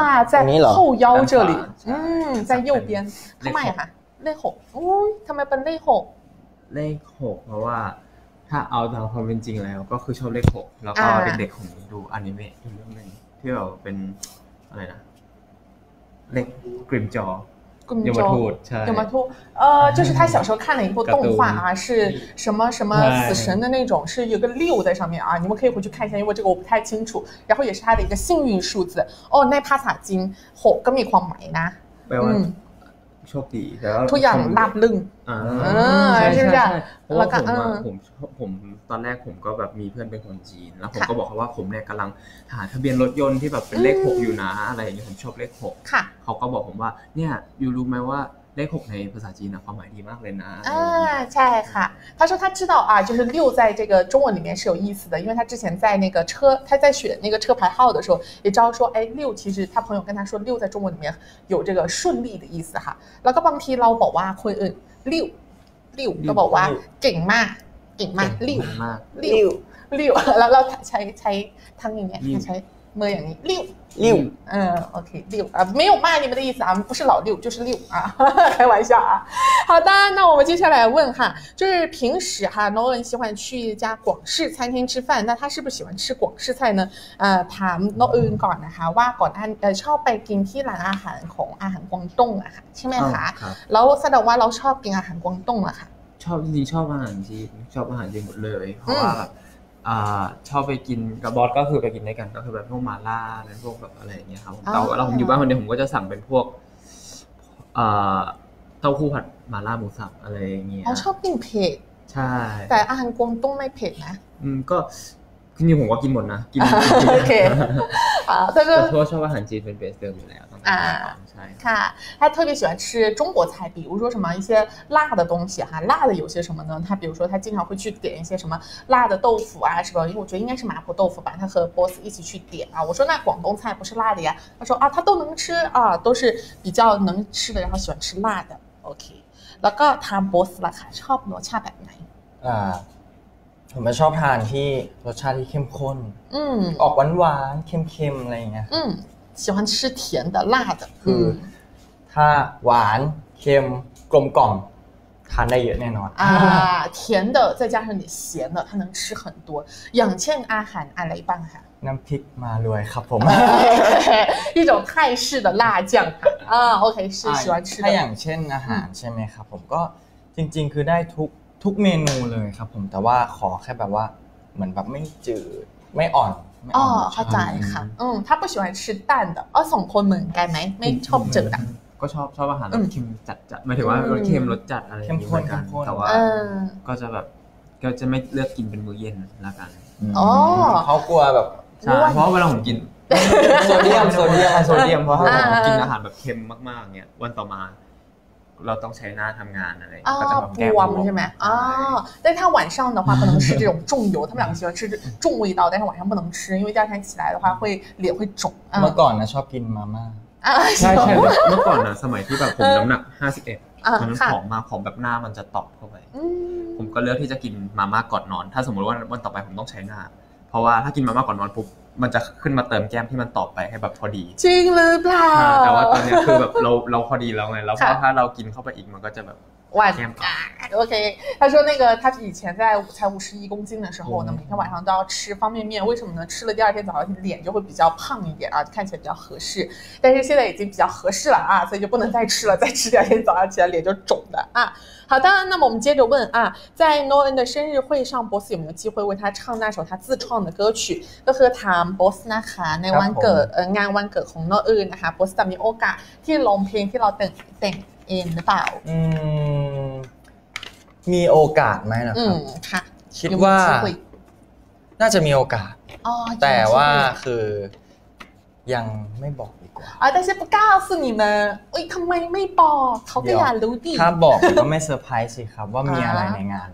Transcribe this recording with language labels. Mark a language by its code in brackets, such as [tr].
[th] ใช่ [zh] 后腰这里在右边 [th] ทำไมคะเลขหกทำไมเป็นเลขหก เพราะว่าถ้าเอาตามความเป็นจริงแล้วก็คือชอบเลขหกแล้วก็เป็นเด็กของดูอนิเมะอีกเรื่องนึงที่แบบเป็นอะไรนะเล็กกริมจอ ยมทูต ใช่ [zh] ยมทูต就是他小时候看了一部动画啊是什么什么死神的那种是有个六在上面啊你们可以回去看一下因为这个我不太清楚然后也是他的一个幸运数字哦那帕萨金好跟你狂买呢 [th] โชคดีแล้ว ทุกอย่างราบรื่น ใช่ใช่ ใช่แล้วก็ผมตอนแรกผมก็แบบมีเพื่อนเป็นคนจีนแล้วผมก็บอกเขาว่าผมเนี่ยกำลังหาทะเบียนรถยนต์ที่แบบเป็นเลข6อยู่นะอะไรอย่างเงี้ยผมชอบเลข6 ค่ะ เขาก็บอกผมว่าเนี่ยอยู่รู้ไหมว่าเลข6ในภาษาจีนนะความหมายดีมากเลยนะ ใช่ค่ะ [zh] 他说他知道啊就是六在这个中文里面是有意思的因为他之前在那个车他在选那个车牌号的时候也知道说哎六其实他朋友跟他说六在中文里面有这个顺利的意思哈 [th] แล้วก็บางทีเราบอกว่าคนอื่น [zh] 六 [th] เราบอกว่าเก่งมากเก่งมาก [zh] 六 [th] แล้วเราใช้ทั้งอย่างเงี้ยใช้เมื่ออย่างนี้ [zh] 六โอเค六没有骂你们的意思啊不是老六就是六啊开玩笑啊好的那我们接下来问哈就是平时哈 Nolan 喜欢去一家广式餐厅吃饭那他是不是喜欢吃广式菜呢 [th] ถาม Nolan ก่อนนะคะว่าก่อนอันชอบไปกินที่ร้านอาหารของอาหารกวางตงอะค่ะ [zh] ใช่ไหมคะแล้วแสดงว่าเราชอบกินอาหารกวางตงอะค่ะ [th] ชอบจริงชอบอาหารจีนชอบอาหารจีนหมดเลยเพราะว่าชอบไปกินกับบอสก็คือไปกินด้วยกันก็คือแบบพวกมาล่าแล้วพวกแบบอะไรอย่างเงี้ยครับผมแต่ว่าเราผมอยู่บ้านคนเดียวผมก็จะสั่งเป็นพวกเต้าหู้ผัดมาล่าหมูสับอะไรอย่างเงี้ย อ๋อชอบกินเผ็ด ใช่ แต่อาหารกวางตุ้งไม่เผ็ดนะ ก็คือผมก็กินหมดนะกินโอเค แต่ก็ชอบอาหารจีนเป็นเบสเดิมอยู่แล้ว [zh] 啊，对，看他特别喜欢吃中国菜，比如说什么一些辣的东西哈，辣的有些什么呢？他比如说他经常会去点一些什么辣的豆腐啊，是吧？因为我觉得应该是麻婆豆腐吧，他和 boss 一起去点啊。我说那广东菜不是辣的呀？他说啊，他都能吃啊，都是比较能吃的，然后喜欢吃辣的。 OK， 那个他 boss 了哈， [th] ชอบรสชาติแบบไหน？ [zh] 啊。 [th] ผมชอบทานที่รสชาติที่เข้มข้นออกหวานหวานเค็มเค็มอะไรอย่างเงี้ย ชอบ [zh] 吃甜的辣的 [th] คือถ้าหวานเค็มกลมกล่อมทานได้เยอะแน่นอน [zh] อ่า甜的再加上你咸的它能吃很多 [th] อย่างเช่นอาหารอะไรบ้างคะ น้ำพริกมาลวยครับผม [zh] 一种泰式的辣酱啊OK是喜欢吃的 [th] ถ้าอย่างเช่นอาหารใช่ไหมครับผมก็จริงๆคือได้ทุกเมนูเลยครับผมแต่ว่าขอแค่แบบว่าเหมือนแบบไม่จืดไม่อ่อน อ๋อเข้าใจค่ะถ้าไม่ชอบทานแต่อ๋อสองคนเหมือนกันไหมไม่ชอบจืดอ่ะ ก็ชอบอาหารรสเค็มจัดจัดหมายถึงว่ารสเค็มรสจัดอะไรอย่างเงี้ ยแต่ว่าก็จะแบบก็จะไม่เลือกกินเป็นมื้อเย็นละกัน อ๋อ เขากลัวแบบ ใช่เพราะเวลาผมกิน โซเดียม เพราะถ้าผมกินอาหารแบบเค็มมากๆเนี่ยวันต่อมาเราต้องใช้หน้าทำงานอะไรก็จะแบบแก้ ปวดใช่ไหมอ๋อแต่ถ้าวันเช้าเนี่ย [zh] 可能是这种重油他们两个喜欢吃重味道但是晚上不能吃因为第二天起来的话会脸会肿 [th] เมื่อก่อนนะชอบกินมาม่า ใช่ใช่เมื่อก่อนนะสมัยที่แบบผมน้ำหนัก51ตอนนั้นผอมมากผอมแบบหน้ามันจะตอบเข้าไปผมก็เลือกที่จะกินมาม่าก่อนนอนถ้าสมมติว่าวันต่อไปผมต้องใช้หน้าเพราะว่าถ้ากินมาม่าก่อนนอนปุ๊บมันจะขึ้นมาเติมแก้มที่มันตอบไปให้แบบพอดี จริงหรือเปล่า แต่ว่าตอนนี้คือแบบเราพอดีแล้วไงแล้วถ้าเรากินเข้าไปอีกมันก็จะแบบ ว่าโอเค [zh] 他说那个他以前在才51公斤的时候呢每天晚上都要吃方便面为什么呢吃了第二天早上脸就会比较胖一点啊看起来比较合适但是现在已经比较合适了啊所以就不能再吃了再吃第二天早上起来脸就肿的啊好的那么我们接着问啊在 Noen 的生日会上 Boss 有没有机会为他唱那首他自创的歌曲 [th] ก็คือถาม Boss นะคะในวันเกิดงานวันเกิดของ Noen นะคะ Boss จะมีโอกาสที่ร้องเพลงที่เราแต่งเองหรือเปล่ามีโอกาสไหมนะครับ ค่ะ คิดว่าน่าจะมีโอกาสแต่ว่าคือยังไม่บอกดีกว่ า อ๋อแต่ฉันไม่กล้าสื่อนี่มาเอ้ยทำไมไม่บอกเขาก็อยากรู้ดิ ถ้าบอกก็ไม่เซอร์ไพรส์สิครับว่ามีอะไรในงาน